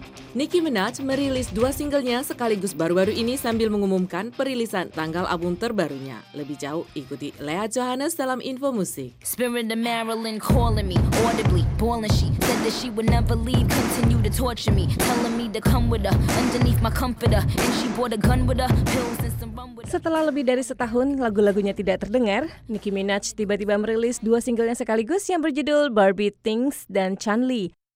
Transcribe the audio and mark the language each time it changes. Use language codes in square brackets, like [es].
[id] Nicki Minaj merilis 2 singlenya sekaligus baru-baru ini sambil mengumumkan perilisan tanggal album terbarunya. Lebih jauh, ikuti Lea Johannes dalam Info Musik. [en] Spirit of Marilyn calling me, audibly, bawling she, said that she would never leave, continue to torture me, telling me to come with her, underneath my comforter, and she brought a gun with her, pills and some rum with her. [id] Setelah lebih dari setahun, lagu-lagunya tidak terdengar, Nicki Minaj tiba-tiba merilis 2 singlenya sekaligus yang berjudul Barbie Things dan Chun-Li.